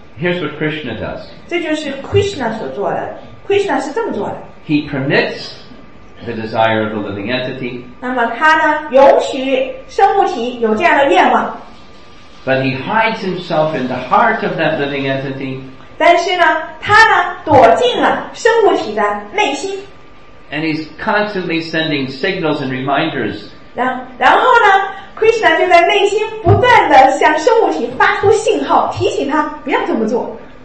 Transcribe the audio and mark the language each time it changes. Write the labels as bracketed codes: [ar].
[en] Here's what Krishna does. [zh] 这就是 Krishna 所做的 Krishna 是这么做的 [en] He permits the desire of the living entity. [zh] 那么他呢允许生物体有这样的愿望 [en] But he hides himself in the heart of that living entity. [zh] 但是呢他呢躲进了生物体的内心 [en] And he's constantly sending signals and reminders [zh] 然后呢 Krishna 就在内心不断地向生物体发出信号提醒他不要这么做